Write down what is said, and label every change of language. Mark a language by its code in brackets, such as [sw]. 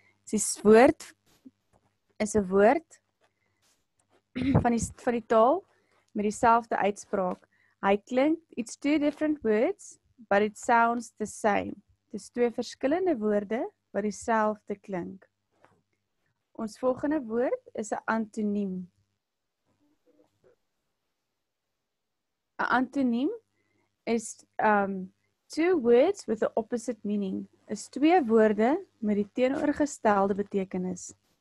[af] Die woord is 'n woord van die taal met dieselfde uitspraak. Hy klink [en] it's two different words, but it sounds the same. [af] Dis twee verskillende woorde wat dieselfde klink. Ons volgende woord is 'n antoniem. 'n Antoniem is [en] two words with the opposite meaning. [af] Is twee woorde met die teenoorgestelde betekenis.